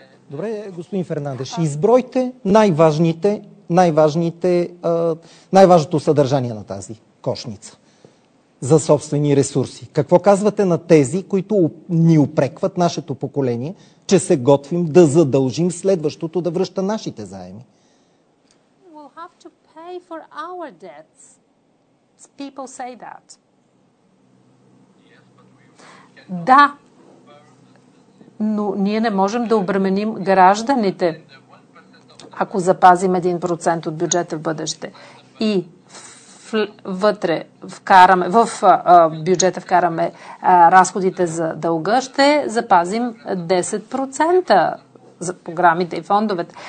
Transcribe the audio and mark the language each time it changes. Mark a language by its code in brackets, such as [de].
[bg] Добре, господин Фернандеш, избройте най-важното съдържание на тази кошница за собствени ресурси. Какво казвате на тези, които ни упрекват нашето поколение, че се готвим да задължим следващото да връща нашите заеми? [en] We'll have to pay for our debts. People say that. [bg] Да, но ние не можем да обременим гражданите, ако запазим 1% от бюджета в бъдеще и вътре вкараме, в бюджета вкараме разходите за дълга, ще запазим 10% за програмите и фондовете.